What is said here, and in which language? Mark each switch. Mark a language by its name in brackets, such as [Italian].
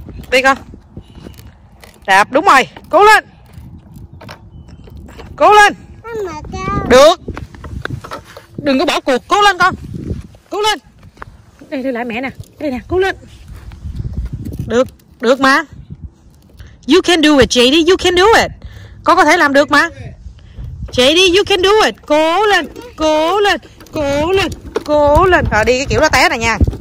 [Vietnamese] Đi con, đạp đúng rồi, cố lên, cố lên, được, đừng có bỏ cuộc, cố lên con, cố lên, đây đây lại mẹ nè, đây nè, cố lên. Được, được mà. [English] You can do it, JD, you can do it. [Vietnamese] Cô có thể làm được mà. JD, [English] you can do it. [Vietnamese] Cố lên, cố lên, cố lên, cố lên. Rồi đi cái kiểu đó té này nha.